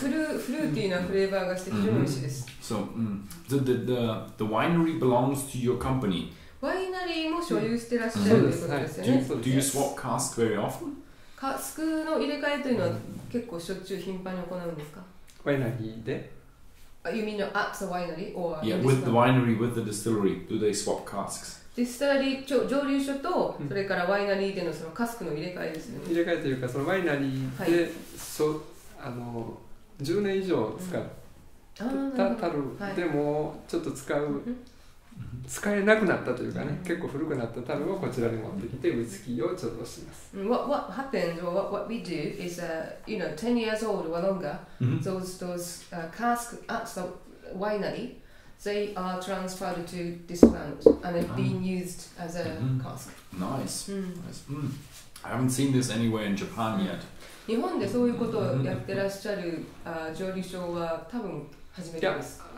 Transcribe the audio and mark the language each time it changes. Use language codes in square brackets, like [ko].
[ja] Fruity na flavor がして非常に美味しいです。 [en] So, the winery belongs to your company. [ja] ワイナリーも所有してらっしゃるということですよね。 [en] Do you swap cask very often? [ja] カスクの入れ替えというのは結構しょっちゅう頻繁に行うんですか？ワイナリーで。 [en] You mean at the winery or yeah, with the winery, with the distillery, do they swap casks? [ja] Distillery 蒸留所とそれからワイナリーでのそのカスクの入れ替えですよね。入れ替えというかそのワイナリーで、はい、そ10年以上使った樽でもちょっと使えなくなったというかね、結構古くなった樽をこちらに持ってきてウイスキーを貯蔵します。 [en] What happens or what we do is you know 10 years old or longer、 mm-hmm. those cask at the winery they are transferred to this plant and it's being used as a cask. Nice. I haven't seen this anywhere in Japan yet. [ja] 日本でそういうことをやってらっしゃる蒸留所は多分初めてです。